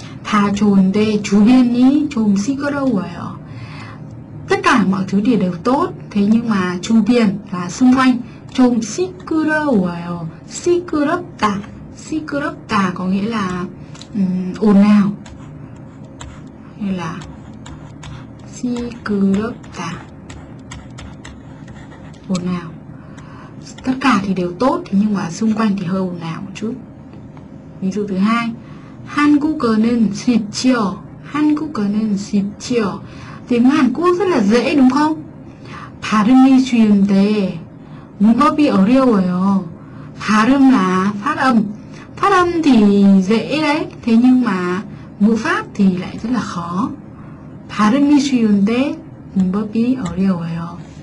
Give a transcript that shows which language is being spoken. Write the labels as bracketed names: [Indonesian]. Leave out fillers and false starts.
[Korean] 다 좋은데 주변이 좀 시끄러워요. [Vietnamese] Tất cả mọi thứ thì đều tốt, thế nhưng mà [Korean] 주변 [Vietnamese] là xung quanh, [Korean] 좀 시끄러워요. 시끄럽다. 시끄럽다 [Vietnamese] có nghĩa là ồn ào. Hay là [Korean] 시끄럽다. [Vietnamese] Ồn ào. Tất cả thì đều tốt, thế nhưng mà xung quanh thì hơi ồn ào một chút. Ví dụ thứ hai. [Korean] 한국어는 쉽죠. 한국어는 쉽죠. [Vietnamese] Tiếng Hàn Quốc rất là dễ đúng không? [Korean] 발음이 쉬운데 문법이 어려워요. 발음 [Vietnamese] là phát âm. Phát âm thì dễ đấy, thế nhưng mà ngữ pháp thì lại rất là khó. [Korean] 발음이 쉬운데 문법이 어려워요.